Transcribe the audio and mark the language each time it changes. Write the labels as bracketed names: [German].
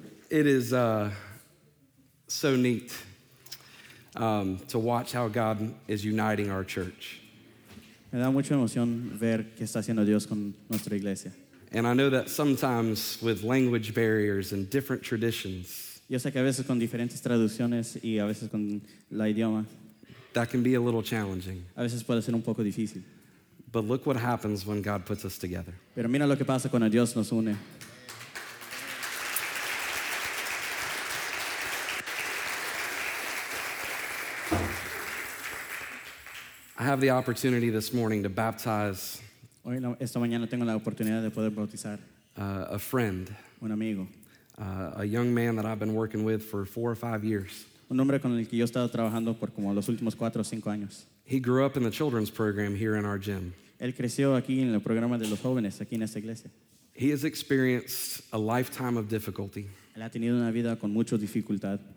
[English] It is so neat to watch how God is uniting our church. [Spanish] Me da mucha emoción ver qué está haciendo Dios con nuestra iglesia. [English] And I know that sometimes with language barriers and different traditions, [Spanish] yo sé que a veces con diferentes traducciones y a veces con la idioma, [English] that can be a little challenging. [Spanish] A veces puede ser un poco difícil. [English] But look what happens when God puts us together. [Spanish] Pero mira lo que pasa cuando Dios nos une. [English] I have the opportunity this morning to baptize. [Spanish] Esta mañana tengo la oportunidad de poder bautizar [English] a friend, [Spanish] un amigo, [English] a young man that I've been working with for 4 or 5 years. [Spanish] Un hombre con el que yo he estado trabajando por como los últimos 4 o 5 años. [English] He grew up in the children's program here in our gym. [Spanish] Él creció aquí en el programa de los jóvenes aquí en esta iglesia. [English] He has experienced a lifetime of difficulty. [Spanish] Él ha tenido una vida con mucha dificultad.